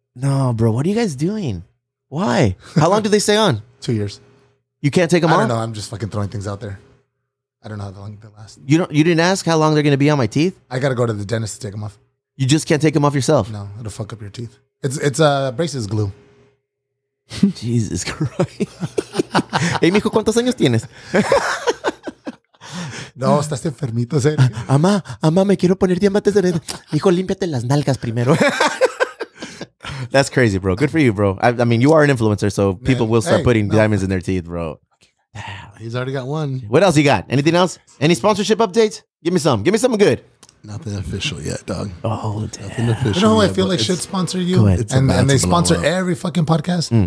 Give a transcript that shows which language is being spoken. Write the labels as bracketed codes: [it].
[en] No, bro. What are you guys doing? Why? How long do they stay on? 2 years. You can't take them off? I don't know. I'm just fucking throwing things out there. I don't know how long they last. You didn't ask how long they're going to be on my teeth? I got to go to the dentist to take them off. You just can't take them off yourself? No, it'll fuck up your teeth. It's braces glue. Jesus Christ. [es] Hey, mijo, ¿cuántos años tienes? No, estás enfermito, Sergio. Amá, me quiero poner diamantes de red. Mijo, límpiate las nalgas primero. [en] That's crazy, bro. Good for you, bro. I mean, you are an influencer, so people will start putting diamonds in their teeth, bro. He's already got one. What else you got? Anything else? Any sponsorship updates? Give me some. Give me something good. Nothing official yet, dog. Oh, damn. Nothing official. You know who I feel like should sponsor you? And they sponsor every fucking podcast?